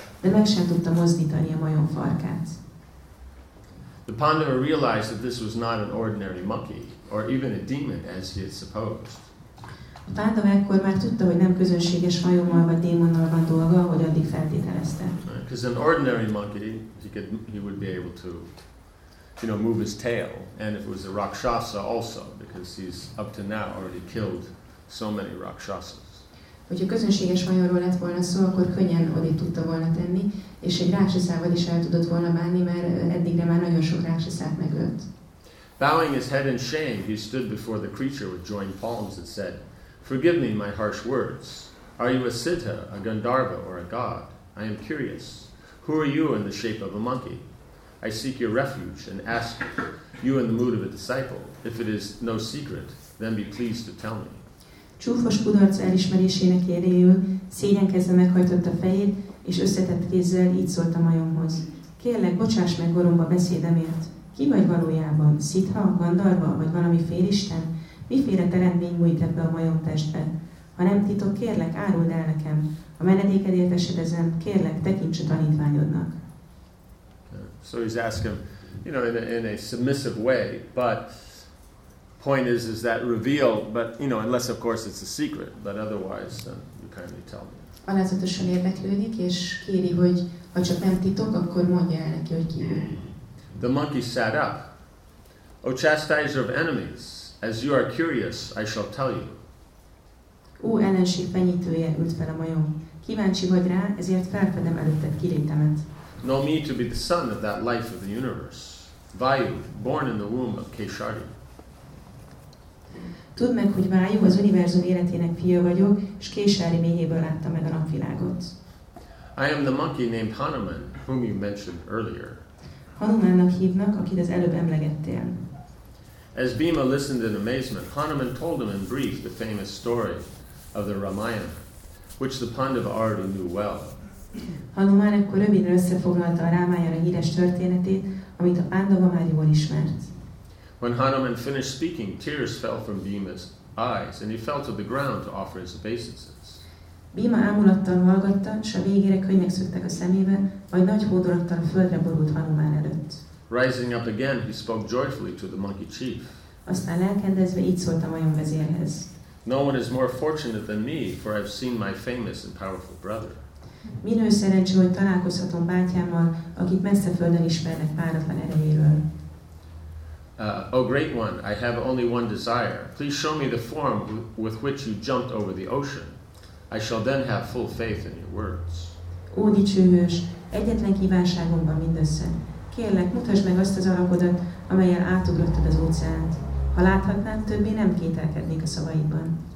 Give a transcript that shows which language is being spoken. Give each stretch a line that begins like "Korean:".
Hungarian: De meg sem tudta mozdítani a majom farkát.
English: The Pandava realized that this was not an ordinary monkey, or even a demon, as he had supposed.
Hungarian: A Pándava ekkor már tudta, hogy nem közönséges hajommal vagy démonnal van dolga, hogy addig feltételezte.
English: Because an ordinary monkey, he would be able to, you know, move his tail, and if it was a rakshasa also, because he's up to now already killed so many rakshasas.
Hungarian: Hogyha közönséges hajóról lett volna szó, akkor könnyen odé tudta volna tenni, és egy rakshasával is el tudott volna bánni, mert eddigre már nagyon sok rakshasát megölt.
English: Bowing his head in shame, he stood before the creature with joined palms and said, "Forgive me my harsh words. Are you a Siddha, a Gandharva, or a god? I am curious. Who are you in the shape of a monkey? I seek your refuge and ask you in the mood of a disciple. If it is no secret, then be pleased to tell me."
Hungarian: Csúfos kudarc elismerésének érdéül, szégyenkezve meghajtott a fejét, és összetett kézzel így szólt a majomhoz. Kérlek, bocsáss meg goromba beszédemért. Ki vagy valójában? Siddha, Gandharva, vagy valami félisten? Miféle teremtmény bújt ebbe a majom testbe? Ha nem titok, kérlek, áruld el nekem. A menedékedért esedezem, kérlek, tekints a tanítványodnak.
English: So he's asking, you know, in a submissive way, but point is that reveal, but you know, unless of course it's a secret, but otherwise then you kindly tell me.
Hungarian: Alázatosan érdeklődik, és kéri, hogy ha csak nem titok, akkor mondja el neki, hogy ki ő.
English: The monkey sat up. O chastiser of enemies, as you are curious, I shall tell you.
Hungarian: Ó, ellenség fenyítője, ült fel a majom. Kíváncsi vagy rá, ezért felfedem előtted kilétemet.
English: Know me to be the son of that life of the universe, Vayu, born in the womb of Keshari.
Hungarian: Tudd meg, hogy Vayu az univerzum életének fia vagyok, és Keshari méhéből látta meg a napvilágot.
English: I am the monkey named Hanuman, whom you mentioned earlier.
Hungarian: Hanumannak hívnak, akit az előbb emlegettél.
English: As Bhima listened in amazement, Hanuman told him in brief the famous story of the Ramayana, which the Pandava already knew well.
Hungarian: Hanuman ekkor röviden összefoglalta a Ramayana híres történetét, amit a Pandava már jól ismert.
English: When Hanuman finished speaking, tears fell from Bhima's eyes, and he fell to the ground to offer his obeisances.
Hungarian: Bhima ámulattal hallgatta, s a végére könnyek szöktek a szemébe, majd nagy hódolattal a földre borult Hanuman előtt.
English: Rising up again, he spoke joyfully to the monkey chief.
Hungarian: Aztán lelkendezve így szólt a majom vezérhez.
English: No one is more fortunate than me, for I've seen my famous and powerful brother.
Hungarian: Minő szerencse, hogy találkozhatom bátyámmal, akit messze földön ismernek páratlan erejéről.
English: Oh great one, I have only one desire. Please show me the form with which you jumped over the ocean. I shall then have full faith in your words.
Hungarian: Ó, dicsőhős, egyetlen kívánságom van mindössze. Kérlek, mutasd meg azt az alakodat, amelyel átugrottad az óceánt. Ha láthatnám, többé nem kételkednék a szavaidban.